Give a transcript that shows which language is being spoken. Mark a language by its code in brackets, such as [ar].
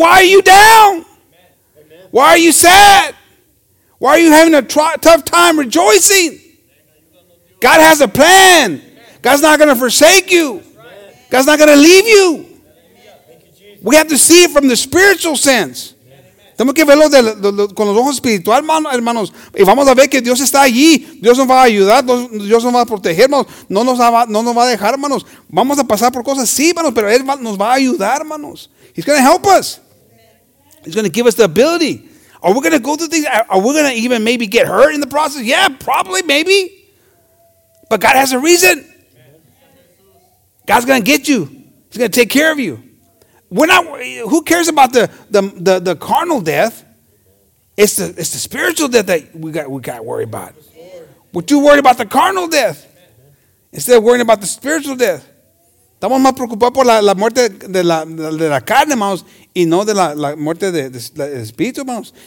[en] Why are you down? Why are you sad? Why are you having a tough time rejoicing? God has a plan. God's not going to forsake you. God's not going to leave you. We have to see it from the spiritual sense. [es] Tenemos que verlo con los ojos espirituales, hermanos. Y vamos a ver que Dios está allí. Dios nos va a ayudar. Dios nos va a proteger. No nos va a dejar, hermanos. Vamos a pasar por cosas, sí, hermanos. Pero Él nos va a ayudar, hermanos. [en] He's going to help us. He's going to give us the ability. Are we going to go through things? Are we going to even maybe get hurt in the process? Yeah, probably, maybe. But God has a reason. God's going to get you. He's going to take care of you. We're not. Who cares about the carnal death? It's the spiritual death that we got to worry about. We're too worried about the carnal death instead of worrying about the spiritual death. [es] Estamos más preocupados por la muerte de la carne, hermanos, y no de la muerte del espíritu, hermanos.